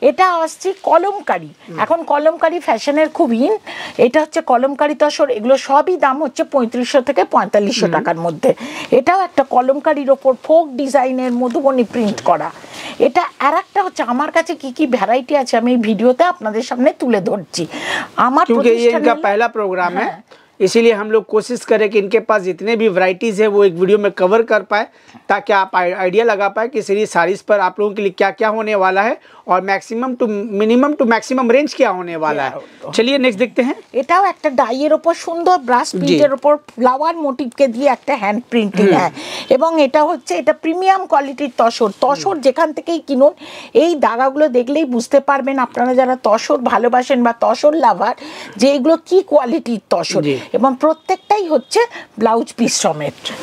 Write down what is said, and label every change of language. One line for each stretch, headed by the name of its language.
Bangla: এটা আসছে কলমকারি, এখন কলমকারি ফ্যাশনের খুব ইন, এটা হচ্ছে কলমকারি তসর, এগুলো সবই দাম হচ্ছে 3500 থেকে 4500 টাকার মধ্যে। এটাও একটা কলমকারির ওপর ফোক ডিজাইনের মধুবনী প্রিন্ট করা। এটা আর একটা হচ্ছে আমার কাছে কি কি ভ্যারাইটি আছে আমি এই ভিডিওতে আপনাদের সামনে তুলে ধরছি, আমার
Hindi: প্রতিষ্ঠানের পহলা প্রোগ্রাম হ্যাঁ, इसीलिए हम लोग कोशिश करें कि इनके पास जितने भी वैरायटीज़ हैं वो एक वीडियो में कवर कर पाए, ताकि आप आइडिया लगा पाए कि श्री सारीस पर आप लोगों के लिए क्या क्या होने वाला है और maximum to minimum to maximum range क्या होने वाला है। चलिए नेक्स्ट देखते हैं।
Bangla: এটাও একটা ডাইয়ের উপর সুন্দর ব্রাস প্রিন্টের উপর ফ্লাওয়ার মোটিভকে দিয়ে একটা হ্যান্ড প্রিন্টিং হয়, এবং এটা হচ্ছে এটা প্রিমিয়াম কোয়ালিটির তসর, তসর যেখান থেকেই কিনুন এই দাগাগুলো দেখলেই বুঝতে পারবেন আপনারা যারা তসর ভালোবাসেন বা তসর লাভার, যে এগুলো কি কোয়ালিটির তসর, এবং প্রত্যেকটাই হচ্ছে ব্লাউজ পিস সমেত।